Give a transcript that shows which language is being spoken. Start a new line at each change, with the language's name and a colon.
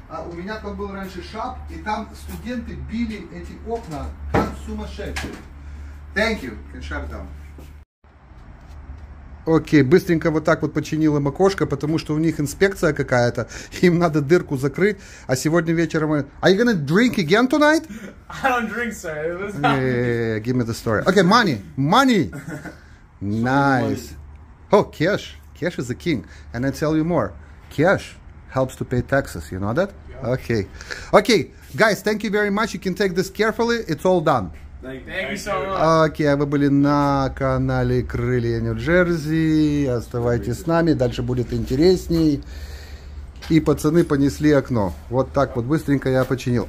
Russian: У меня там был раньше шап, и там студенты били эти окна как сумасшедшие.
English: Thank you. Can shut it down.
Russian: Окей, быстренько вот так вот починил им окошко, потому что у них инспекция какая-то, им надо дырку закрыть, а сегодня вечером...
English: Are you gonna drink again tonight? I don't drink, sir. Yeah, give me the story. Okay, money. Money. Nice. Oh, cash. Cash is the king. And I tell you more. Cash helps to pay taxes. You know that? Yeah. Okay. Okay, guys, thank you very much. You can take this carefully. It's all done. Thank you so much.
Russian: Окей, вы были на канале «Крылья Нью-Джерси». Оставайтесь с нами, дальше будет интересней. И пацаны понесли окно. Вот так вот быстренько я починил.